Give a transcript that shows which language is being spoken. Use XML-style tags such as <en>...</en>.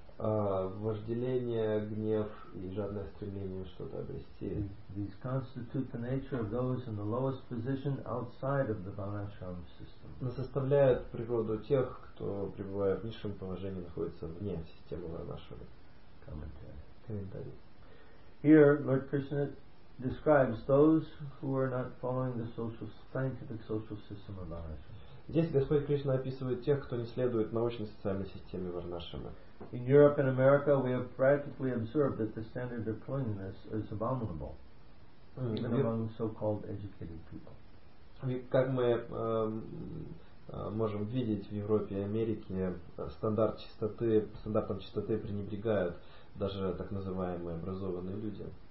<ru>Вожделение, гнев и жадное стремление что-то обрести.</ru> <en>These constitute the nature of those in the lowest position outside of the Varnashram system.</en> <ru>Но составляют природу тех, кто, пребывая в низшем положении, находится вне системы Варнашрама. Комментарий.</ru> <en>Here, Lord Krishna describes those who are not following the social, scientific social system of Varnashram.</en> <ru>Здесь Господь Кришна описывает тех, кто не следует научной социальной системе Варнашрама.</ru> <en>In Europe and America we have practically observed that the standard of cleanliness is abominable, even among so-called educated people.</en> <ru>Как мы можем видеть, в Европе и Америке стандартом чистоты пренебрегают даже так называемые образованные люди.</ru>